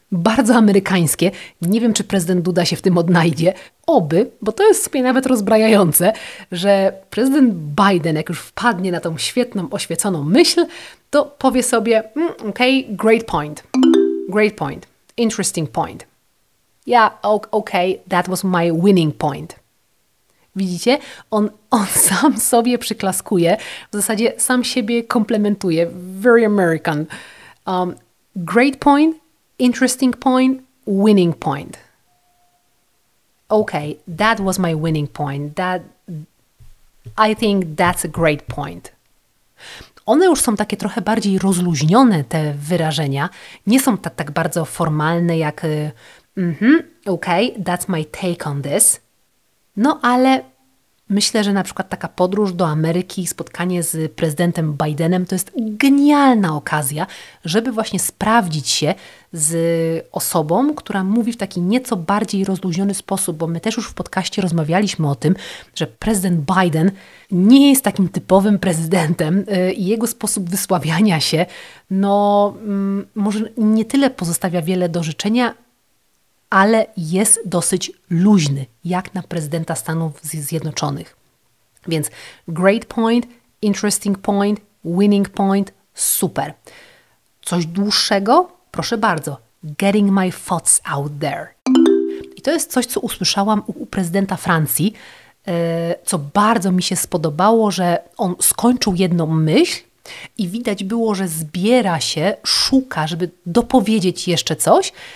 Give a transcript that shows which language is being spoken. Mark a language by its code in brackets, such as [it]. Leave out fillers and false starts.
[pl] Bardzo amerykańskie. Nie wiem, czy prezydent Duda się w tym odnajdzie. Oby, bo to jest w sumie nawet rozbrajające, że prezydent Biden, jak już wpadnie na tą świetną, oświeconą myśl, to powie sobie, okej, [en] great point, interesting point. Ja, okej, that was my winning point. [pl] Widzicie? On sam sobie przyklaskuje, w zasadzie sam siebie komplementuje. [en] Very American. Great point, interesting point, winning point. Okay, that was my winning point. I think that's a great point. [pl] One już są takie trochę bardziej rozluźnione, te wyrażenia. Nie są tak bardzo formalne jak [en] okay, that's my take on this. [pl] No ale myślę, że na przykład taka podróż do Ameryki, spotkanie z prezydentem Bidenem to jest genialna okazja, żeby właśnie sprawdzić się z osobą, która mówi w taki nieco bardziej rozluźniony sposób, bo my też już w podcaście rozmawialiśmy o tym, że prezydent Biden nie jest takim typowym prezydentem i jego sposób wysławiania się, no może nie tyle pozostawia wiele do życzenia, ale jest dosyć luźny, jak na prezydenta Stanów Zjednoczonych. Więc [en] great point, interesting point, winning point, [pl] super. Coś dłuższego? Proszę bardzo. [en] Getting my thoughts out there. [pl] I to jest coś, co usłyszałam u prezydenta Francji, co bardzo mi się spodobało, że on skończył jedną myśl i widać było, że zbiera się, szuka, żeby dopowiedzieć jeszcze coś.